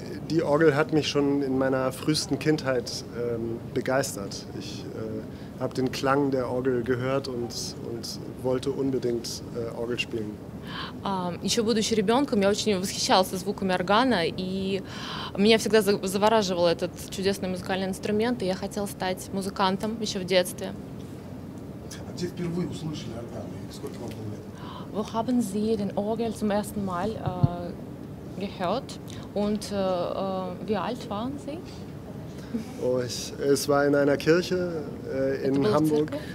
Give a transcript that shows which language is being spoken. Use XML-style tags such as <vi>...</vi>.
<de>Die Orgel hat mich schon in meiner frühesten Kindheit begeistert. Ich habe den Klang der Orgel gehört und wollte unbedingt Orgel spielen.</de> <ru>Еще будучи ребенком, я очень восхищался звуками органа, и меня всегда завораживал этот чудесный музыкальный инструмент, и я хотел стать музыкантом еще в детстве. А где впервые услышали органы? Сколько вам было лет?</ru> <de>Wo haben Sie den Orgel zum ersten Mal gehört? Und wie alt waren Sie? Oh, es war in einer Kirche in Hamburg.</de>